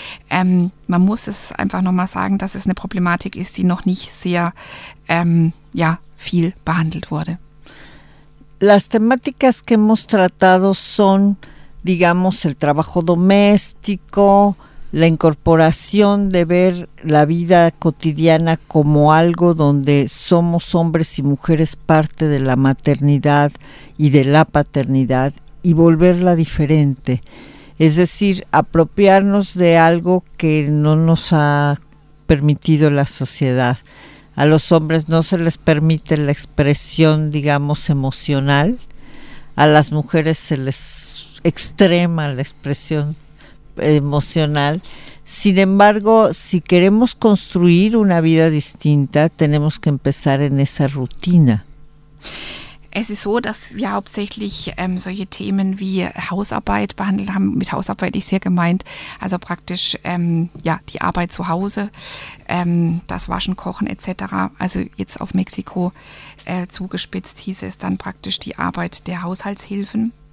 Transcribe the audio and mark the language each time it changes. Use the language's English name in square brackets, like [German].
[German] Man muss es einfach nochmal sagen, dass es eine Problematik ist, die noch nicht sehr viel behandelt wurde. [Spanish] Las temáticas que hemos tratado son, digamos, el trabajo doméstico, la incorporación de ver la vida cotidiana como algo donde somos hombres y mujeres parte de la maternidad y de la paternidad y volverla diferente. Es decir, apropiarnos de algo que no nos ha permitido la sociedad. A los hombres no se les permite la expresión, digamos, emocional. A las mujeres se les extrema la expresión emocional. Sin embargo, si queremos construir una vida distinta, tenemos que empezar en esa rutina. [German] Es ist so, dass wir hauptsächlich solche Themen wie Hausarbeit behandelt haben. Mit Hausarbeit ist hier gemeint, also praktisch die Arbeit zu Hause, das Waschen, Kochen etc. Also jetzt auf Mexiko zugespitzt hieß es dann praktisch die Arbeit der Haushaltshilfen.